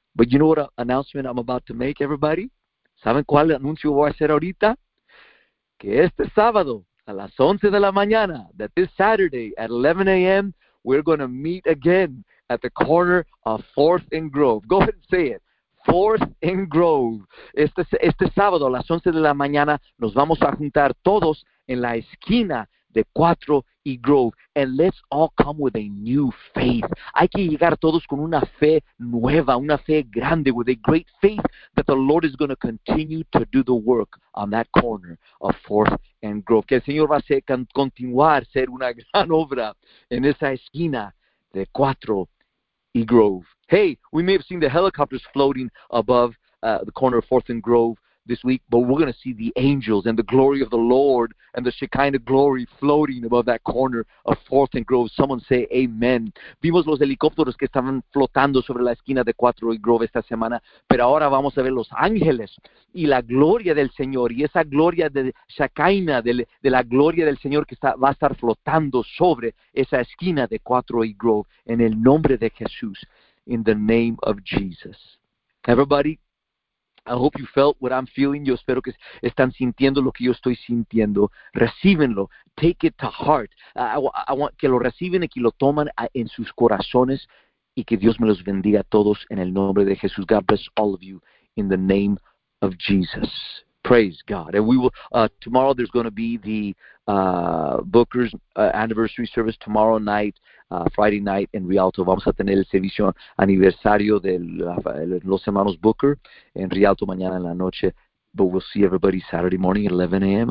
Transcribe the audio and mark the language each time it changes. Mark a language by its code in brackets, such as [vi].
[en] But you know what announcement I'm about to make, everybody? [es] ¿Saben cuál anuncio voy a hacer ahorita? Que este sábado, a las 11 de la mañana, [en] that this Saturday at 11 a.m., we're going to meet again at the corner of 4th and Grove. Go ahead and say it. 4th and Grove. [es] Este sábado a las 11 de la mañana nos vamos a juntar todos en la esquina de 4 y Grove. [en] And let's all come with a new faith. [es] Hay que llegar todos con una fe nueva, una fe grande, [en] with a great faith that the Lord is going to continue to do the work on that corner of 4th and Grove. [es] Que el Señor va a continuar a hacer una gran obra en esa esquina de 4 y Grove. [en] Hey, we may have seen the helicopters floating above the corner of 4th and Grove this week, but we're going to see the angels and the glory of the Lord and the Shekinah glory floating above that corner of 4th and Grove. Someone say amen. [es] Vimos los helicópteros que estaban flotando sobre la esquina de 4 y Grove esta semana, pero ahora vamos a ver los ángeles y la gloria del Señor y esa gloria de Shekinah, de la gloria del Señor que va a estar flotando sobre esa esquina de 4 y Grove en el nombre de Jesús. [en] In the name of Jesus. Everybody, I hope you felt what I'm feeling. [es] Yo espero que están sintiendo lo que yo estoy sintiendo. Recíbenlo. [en] Take it to heart. I want [es] que lo reciben y que lo toman en sus corazones. Y que Dios me los bendiga a todos en el nombre de Jesús. [en] God bless all of you in the name of Jesus. Praise God. And we will, tomorrow there's going to be the Booker's anniversary service tomorrow night, Friday night in Rialto. [es] Vamos a tener el servicio aniversario de los hermanos Booker en Rialto mañana en la noche. [en] But we'll see everybody Saturday morning at 11 a.m.